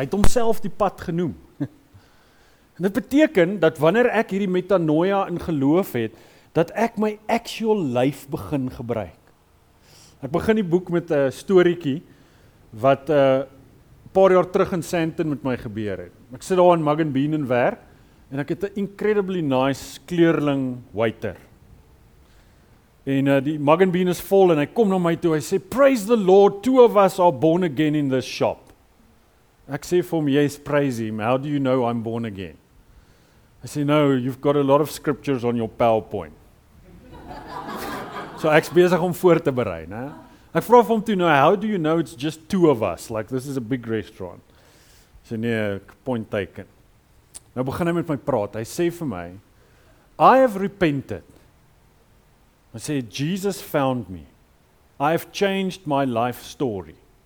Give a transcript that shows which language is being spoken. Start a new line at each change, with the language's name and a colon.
Afrikaans: Hy het homself die pad genoem. En dit beteken dat wanneer ek hierdie metanoia in geloof het, dat ek my actual life begin gebruik. Ek begin die boek met 'n storietjie wat paar jaar terug in Sandton met my gebeur het. Ek sit daar in Mug and Bean en werk en ek het 'n incredibly nice kleerling waiter. En die Mug and Bean is vol en hy kom na my toe, hy sê,
English: "Praise the Lord, two of us are born again in this shop."
Afrikaans: Ek sê vir hom,
English: "Yes, praise him. How do you know I'm born again?" I say, "No, you've got a lot of scriptures on your PowerPoint."
Afrikaans: So ek's besig om voor te berei, né? Ek vra vir hom toe,
English: "Now, how do you know it's just two of us? Like this is a big restaurant." So nee, point taken.
Afrikaans: Nou begin hy met my praat. Hy sê vir my,
English: "I have repented." I say, "Jesus found me. I have changed my life story."